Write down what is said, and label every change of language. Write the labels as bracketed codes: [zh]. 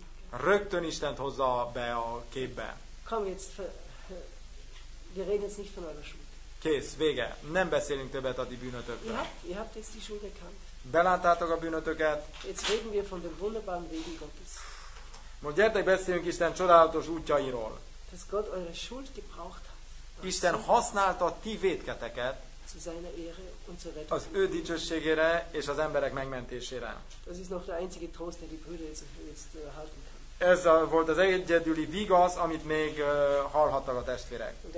[hu] Rögtön Istent hozza be a képbe. [de] Komm jetzt, wir reden jetzt nicht von eurer Schuld. [hu] Kész, vége. Nem beszélünk többet a ti bűnötökről. [de] Ihr habt jetzt die Schuld erkannt. [hu] Beláttátok a bűnötöket. [de] Jetzt reden wir von dem wunderbaren Wegen Gottes. [hu] Most gyertek, beszéljünk Isten csodálatos útjairól. [de] Dass Gott eure Schuld gebraucht hat. [hu] Isten használta a ti vétketeket. [de] Zu seiner Ehre und zur Rettung. [hu] Az ő dicsőségére és az emberek megmentésére. [de] Das ist noch der einzige Trost, den die Brüder jetzt halten. Ez volt az egyedüli vigasz, amit még hallhattak a testvérek.